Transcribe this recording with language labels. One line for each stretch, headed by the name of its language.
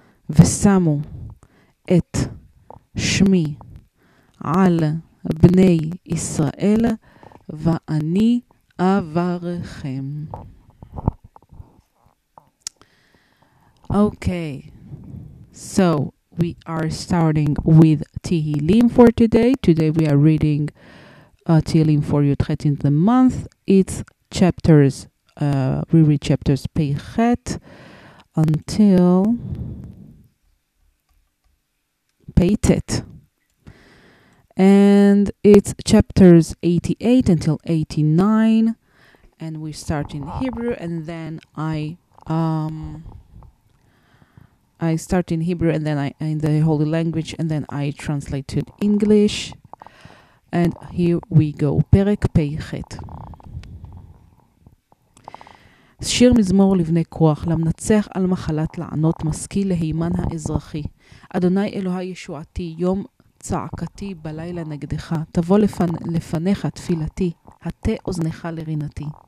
Hebrew: ושמו את שמי על בני ישראל ואני אברכם.
English: Okay, so we are starting with Teheilim for today. Today we are reading Teheilim for Yudhet in the month. It's chapters, we read chapters Peichet until Peitet, and it's chapters 88 until 89, and we start in Hebrew, and then I start in Hebrew, and then I in the holy language, and then I translate to English, and here we go. Perek Peichet.
Hebrew: שיר מזמור לבני כוח, למנצח על מחלת לענות, משכיל להימן האזרחי. אדוני אלוהי ישועתי, יום צעקתי בלילה נגדך, תבוא לפניך תפילתי, התה אוזנך לרינתי.